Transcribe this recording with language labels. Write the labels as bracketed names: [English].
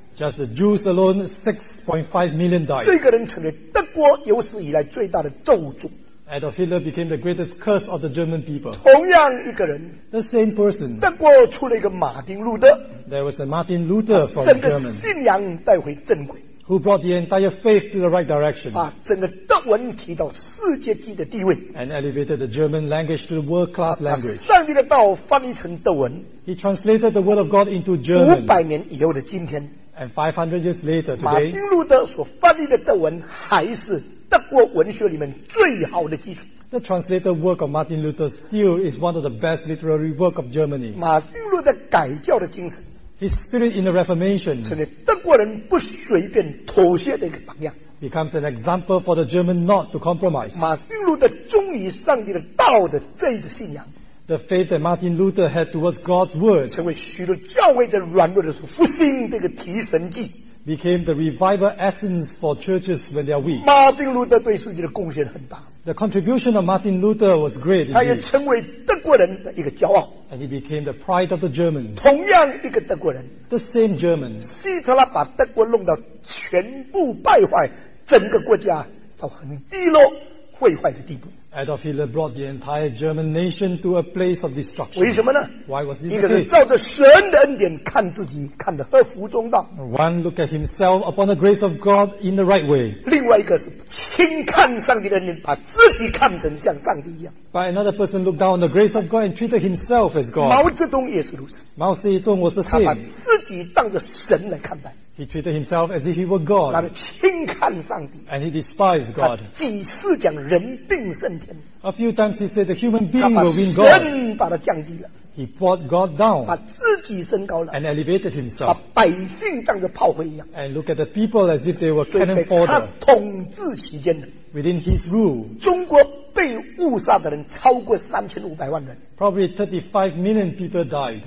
[English] Just the Jews alone, 6.5 million died. [Chinese] 这个人成为德国有史以来最大的咒诅。 [English] Adolf Hitler became the greatest curse of the German people. [Chinese] 同样一个人。 [English] The same person. [Chinese] 德国出了一个马丁路德。 [English] There was a Martin Luther from Germany. [Chinese] 整个信仰带回正轨。 [English] Who brought the entire faith to the right direction. [Chinese] 把整个德文提到世界级的地位。 [English] And elevated the German language to the world class language. [Chinese] 把上帝的道翻译成德文。 [English] He translated the word of God into German. [Chinese] 500年以后的今天。 [English] And 500 years later today. [Chinese] 马丁路德所翻译的德文还是德国文学里面最好的基础。 [English] The translated work of Martin Luther still is one of the best literary work of Germany. [Chinese] 马丁路德改教的精神。 [English] His spirit in the Reformation. [Chinese] 成为德国人不随便妥协的一个榜样。 [English] Becomes an example for the German not to compromise. [Chinese] 马丁路德忠于上帝的道的这一个信仰。 [English] The faith that Martin Luther had towards God's word. [Chinese] 成为许多教会的软弱的时候复兴这个提神剂。 [English] Became the revival essence for churches when they are weak. [Chinese] 马丁路德对世界的贡献很大。 [English] The contribution of Martin Luther was great. [Chinese] 他也成为德国人的一个骄傲。 [English] And he became the pride of the Germans. [Chinese] 同样一个德国人。 [English] The same Germans. [Chinese] 希特拉把德国弄到全部败坏，整个国家到很低落、毁坏的地步。 [English] Adolf Hitler brought the entire German nation to a place of destruction. [Chinese] 为什么呢？ [English] Why was this [Chinese] 一个人照着神的恩典看自己，看得合乎中道。 [English] One looked at himself upon the grace of God in the right way. [Chinese] 另外一个是轻看上帝的恩典，把自己看成像上帝一样。 [English] By another person looked down on the grace of God and treated himself as God. [Chinese] 毛泽东也是如此。 [English] 毛泽东 was the same. [Chinese] 他把自己当着神来看待。 [English] He treated himself as if he were God. [Chinese] 他轻看上帝。 [English] And he despised God. [Chinese] 他几次讲人定胜。 [English] A few times he said the human being will win God. [Chinese] 他把神把他降低了。 [English] He brought God down. [Chinese] 把自己升高了。 [English] And elevated himself. [Chinese] 把百姓当作炮灰一样。 [English] And look at the people as if they were cannon fodder. [Chinese] 他统治期间的。 [English] Within his rule. [Chinese] 中国被误杀的人超过3500万人。 [English] Probably 35 million people died.